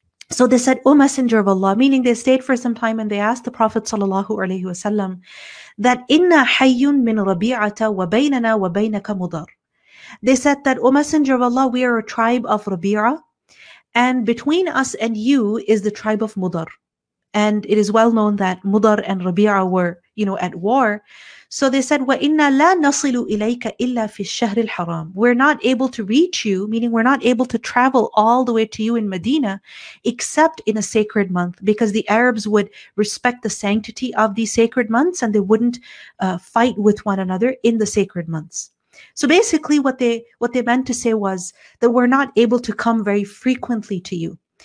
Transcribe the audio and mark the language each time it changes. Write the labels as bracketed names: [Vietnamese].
[English] So they said, O Messenger of Allah, meaning they stayed for some time and they asked the Prophet sallallahu alayhi wa sallam that [Arabic] إِنَّا حَيٌّ مِنْ رَبِيعَةَ وَبَيْنَنَا وَبَيْنَكَ مُضَرْ. [English] They said that, O Messenger of Allah, we are a tribe of Rabi'ah, and between us and you is the tribe of Mudar. And it is well known that Mudar and Rabi'ah were, you know, at war. So they said, [Arabic] وَإِنَّا لَا نَصِلُ إِلَيْكَ إِلَّا فِي الشَّهْرِ الْحَرَامِ. [English] We're not able to reach you, meaning we're not able to travel all the way to you in Medina, except in a sacred month, because the Arabs would respect the sanctity of these sacred months and they wouldn't fight with one another in the sacred months. So basically what they meant to say was that we're not able to come very frequently to you.